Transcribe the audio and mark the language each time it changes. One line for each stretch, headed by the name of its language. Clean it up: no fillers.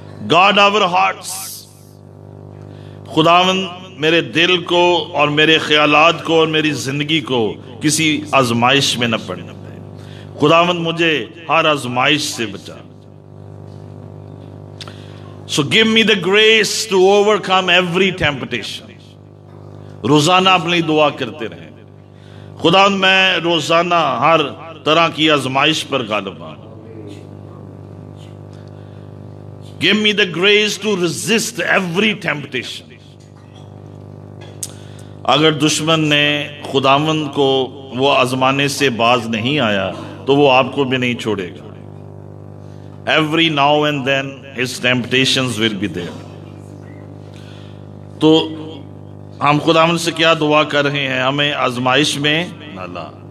English: Guard our hearts.
Urdu: خداوند میرے دل کو اور میرے خیالات کو اور میری زندگی کو کسی آزمائش میں نہ پڑنے دے. خداوند مجھے ہر آزمائش سے بچا.
English: So give me the grace to overcome every temptation.
Urdu: روزانہ اپنی دعا کرتے رہیں, خداوند میں روزانہ ہر طرح کی آزمائش پر غالب آؤں.
English: Give me the grace to resist every temptation.
Urdu: اگر دشمن نے خداوند کو وہ آزمانے سے باز نہیں آیا تو وہ آپ کو بھی نہیں چھوڑے گا.
English: Every now and then his temptations will be there.
Urdu: تو ہم خداوند سے کیا دعا کر رہے ہیں, ہمیں آزمائش میں نہ لا.